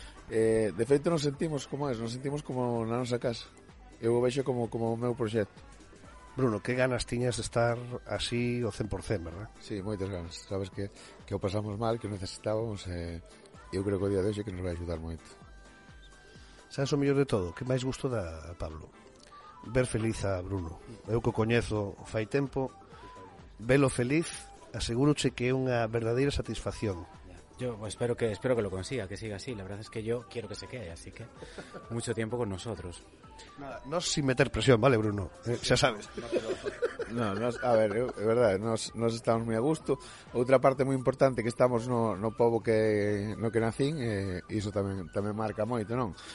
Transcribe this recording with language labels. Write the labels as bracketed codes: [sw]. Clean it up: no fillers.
[gl] De feito, nos sentimos como na nosa casa. Eu o veixo como o meu proxecto. Bruno, que ganas tiñas de estar así o 100%, verdad? Sí, moitas ganas. Sabes que o pasamos mal, que o necesitábamos, e eu creo que o día de hoxe que nos vai ajudar moito. Sabes o mellor de todo? Que máis gusto dá a Pablo? Ver feliz a Bruno. Eu que o coñezo fai tempo, velo feliz, asegúroche que é unha verdadeira satisfacción. [es] Yo espero que lo consiga, que siga así. La verdad es que yo quiero que se quede, así que mucho tiempo con nosotros. No sin meter presión, ¿vale, Bruno? Ya sabes. Nos estamos muy a gusto. Otra parte muy importante, que estamos [gl] no povo que nacín, [es] eso también marca moito, ¿no?